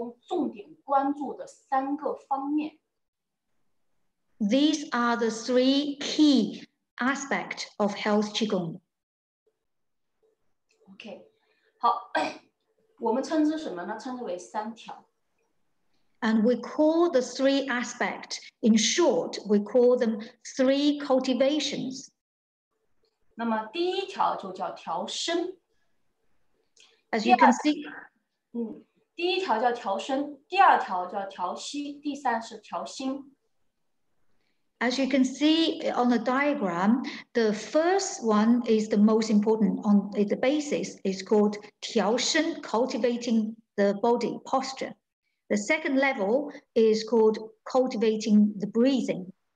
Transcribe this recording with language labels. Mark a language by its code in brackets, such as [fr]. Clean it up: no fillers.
[zh] 这是我们健身气功重点关注的三个方面。 [en] These are the three key aspects of health Qigong. [zh] OK, 好，我们称之什么呢？称之为三条。 [en] And we call the three aspects, in short, we call them three cultivations. [zh] 那么第一条就叫调身。 [en] As you can see, [zh] 第一条叫调身，第二条叫调息，第三是调心。 [en] As you can see on the diagram, the first one is the most important on the basis. It's called 调身, cultivating the body posture. The second level is called cultivating the breathing.